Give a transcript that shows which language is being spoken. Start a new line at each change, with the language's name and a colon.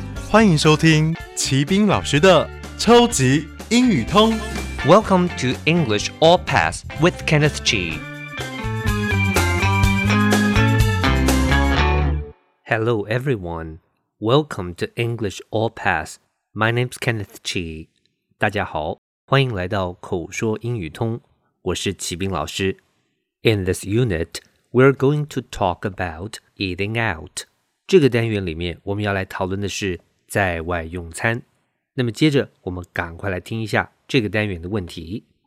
Chinese: 欢迎收听齐宾老师的超级英语通。
English: Welcome to English All Pass with Kenneth Chi. Hello, everyone. Welcome to English All Pass. My name's Kenneth Chi.
Chinese: 大家好，欢迎来到口说英语通。我是齐宾老师。
English: In this unit, we're going to talk about eating out.
Chinese: 这个单元里面，我们要来讨论的是在外用餐。那么接着，我们赶快来听一下这个单元的问题。